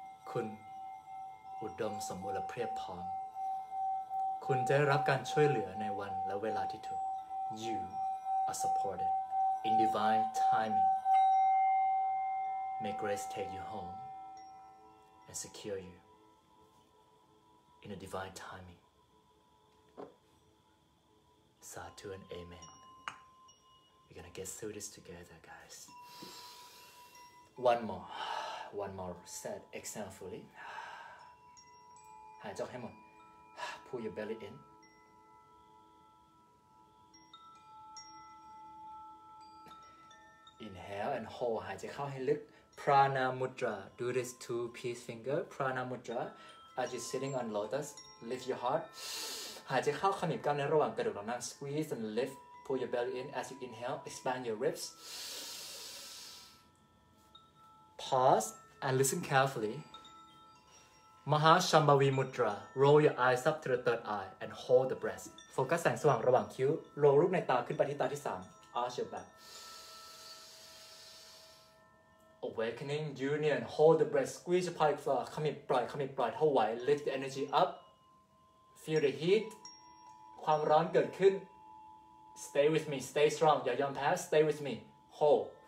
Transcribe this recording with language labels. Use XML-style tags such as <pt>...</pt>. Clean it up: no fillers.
<th>คุณอุดมสมบูรณ์และเพียบพร้อมคุณจะได้รับการช่วยเหลือในวันและเวลาที่ถูก</th> <en>You are supported in divine timing. May grace take you home and secure you in a divine timingSatu and Amen. We're gonna get through this together, guys. One more set. Exhale fully.</en> <th>Hai jok hai mon.</th> <en>Pull your belly in.</en> <th>โฮหายใจเข้าให้ลึก</th> <en>prana mudra do this two peace finger prana mudra as you sitting on lotus lift your heart</en> <th>หายใจเข้าขมิบกล้ามเนื้อระหว่างกระดูกหลังนั่ง</th> <en>squeeze and lift pull your belly in as you inhale expand your ribs pause and listen carefullyMahashambhavi Mudra. Roll your eyes up to the third eye and hold the breath. Focus</en> <th>แสงสว่างระหว่างคิ้ว</th> <en>Roll</en> <th>ลูกในตาขึ้นไปที่ตาที่3</th> <en>Arch your back. Awakening union. Hold the breath. Squeeze your pelvic floor.</en> <th>ขมิบปล่อยขมิบปล่อยเท่าไหว</th> <en>Lift the energy up. Feel the heat.</en> <th>ความร้อนเกิดขึ้น</th> <en>Stay with me. Stay strong.</en> <th>อย่ายอมแพ้</th> <en>Stay with me. Hold.</en>